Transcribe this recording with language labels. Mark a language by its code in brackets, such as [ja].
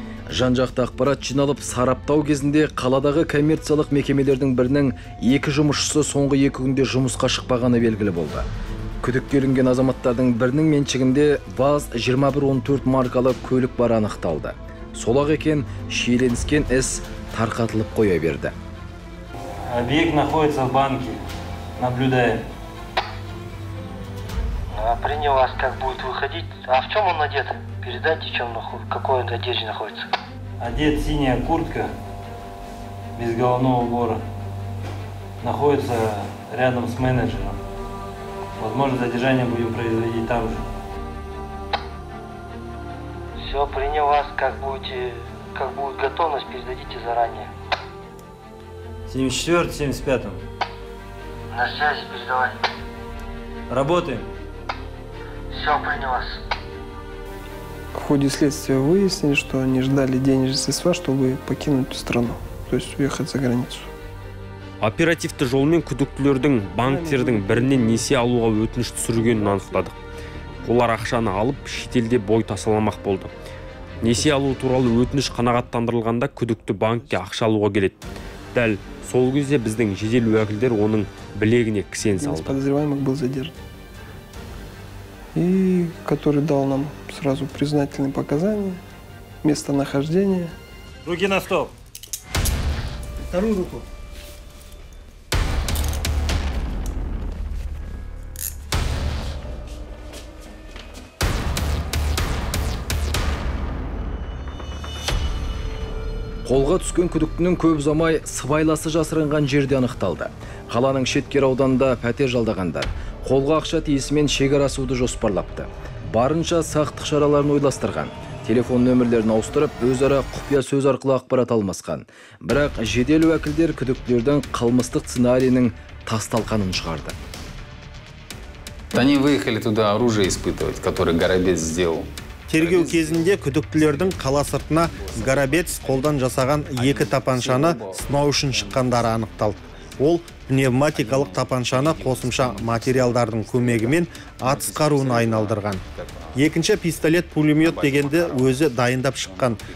[kk] Жан-жақты ақпарат жиналып, сараптау кезінде қаладағы коммерциялық мекемелердің бірінің екі жұмысшысы соңғы екі күнде жұмысқа шықпағаны белгілі болды. Күдіктелінген азаматтардың бірінің меншігінде ВАЗ-2114 маркалы көлік бары анықталды. Солақ екен, шиеленіскен іс тарқатылып қоя берді. [ru] Объект находится в банке. Наблюдаем. Принял вас, как будет выходить. А в чем он одет? Передайте, в чем, в какой одежде находится. Одет синяя куртка без головного убора. Находится рядом с менеджером. Возможно, задержание будем производить там же. Все, принял вас, как будет готовность, передадите заранее. 74, 75. На связи, передавай. Работаем. Все, в ходе следствия выяснили, что они ждали денежных средств, чтобы покинуть страну, то есть уехать за границу. [kk] Оперативті жолмен күдіктілердің банктердің бірінен несе алуға өтініш түсіргенін анықтадық. Олар ақшаны алып, шетелде бой тасаламақ болды. Несе алу туралы өтініш қанағаттандырылғанда күдікті банкке ақша алуға келеді. Дәл сол кезде біздің жедел уәкілдер оның білегіне кісен салды. [ru] Подозреваемых был задержан. И который дал нам сразу признательные показания, местонахождение. Руки на стол. Вторую руку. [kk] Қолға түскен күдіктінің көп ұзамай сыбайласы жасырынған жерде анықталды. Қаланың шеткер ауданында пәтер жалдағандар қолға ақша тиісімен шекарасуды жоспарлапты. Барынша сақтық шараларын ойластырған, телефон нөмірлерін ауыстырып, өзара құпия сөз арқылы ақпарат алмасқан. Бірақ жедел уәкілдер күдіктілердің қылмыстық сценарийінің тасталқанын шығарды. [ru] Они выехали туда оружие испытывать, которое Горобец сделал. [kk] Тергеу кезінде күдіктілердің қала сыртына Горобец қолдан жасаған екі тапаншаны сынау үшін шыққандары анықталды. Ол пневматикалық тапаншаны қосымша материалдардың көмегімен атыс қаруын айналдырған. Екінші пистолет пулемет дегенді өзі дайындап шыққан.